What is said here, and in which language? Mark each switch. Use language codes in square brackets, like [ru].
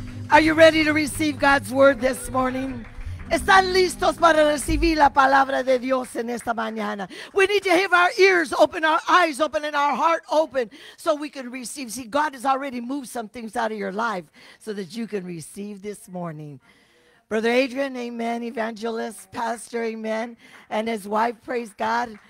[en] Are you ready to receive God's word this morning? [es] ¿Están listos para recibir la palabra de Dios en esta mañana? [en] We need to have our ears open, our eyes open, and our heart open so we can receive. See, God has already moved some things out of your life so that you can receive this morning. Brother Adrian, amen, evangelist, pastor, amen, and his wife, praise God.